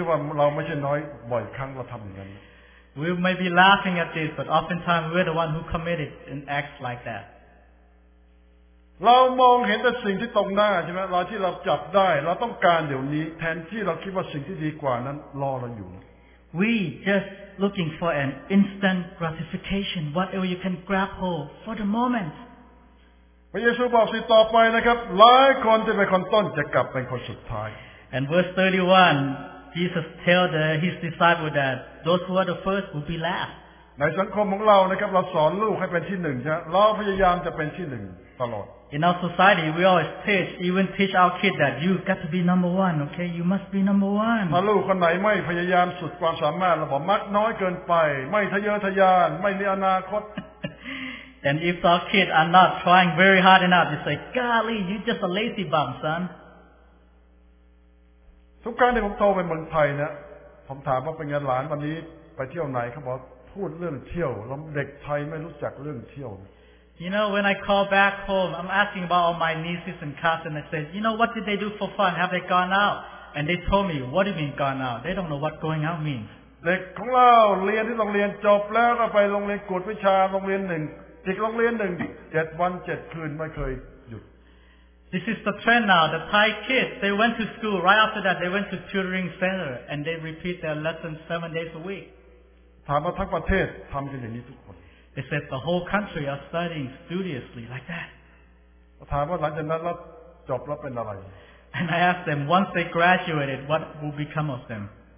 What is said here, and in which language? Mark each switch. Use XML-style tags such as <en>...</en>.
<en>We may be laughing at this, but oftentimes we're the one who committed an act like that.</en> <th>เรามองเห็นแต่สิ่งที่ตรงหน้าใช่ไหมเราที่เราจับได้เราต้องการเดี๋ยวนี้แทนที่เราคิดว่าสิ่งที่ดีกว่านั้นรอเราอยู่</th> <en>We justlooking for an instant gratification whatever you can grab hold for the moment</en> <th>พระเยซูบอกสิต่อไปนะครับหลายคนจะเป็นคนต้นจะกลับเป็นคนสุดท้าย</th> <en>and verse 31 Jesus tell the his disciples that those who are the first will be last</en> <th>ในสังคมของเรานะครับเราสอนลูกให้เป็นที่หนึ่งใช่ไหมเราพยายามจะเป็นที่หนึ่งตลอด</th> <en>in our society we always teach our kids that you got to be number one okay you must be number one</en> <th>ถ้าลูกคนไหนไม่พยายามสุดความสามารถเราบอกมักน้อยเกินไปไม่ทะเยอทะยานไม่มีอนาคต</th> <en>and if our kids are not trying very hard enough you say golly you just a lazy bum son</en> <th>ทุกครั้งที่ผมโทรไปเมืองไทยเนี่ยผมถามว่าเป็นไงหลานวันนี้ไปเที่ยวไหนเขาบอกพูดเรื่องเที่ยวแล้วเด็กไทยไม่รู้จักเรื่องเที่ยว</th> <en>You know, when I call back home, I'm asking about all my nieces and cousins. I said, you know, what did they do for fun? Have they gone out? And they told me, what do you mean gone out? They don't know what going out means.</en> <th>เด็กของเราเรียนที่โรงเรียนจบแล้วก็ไปโรงเรียนกวดวิชาโรงเรียนหนึ่งเด็กโรงเรียนหนึ่ง7 วัน 7 คืนไม่เคยหยุด</th> <en>This is the trend now. The Thai kids, they went to school. Right after that, they went to tutoring center. And they repeat their lessons 7 days a week.</en> <th>ถามว่าทั้งประเทศทำกันอย่างนี้ทุกคน</th> <en>It says the whole country are studying studiously like that. And I asked them, once they graduated, what will become of them?</en>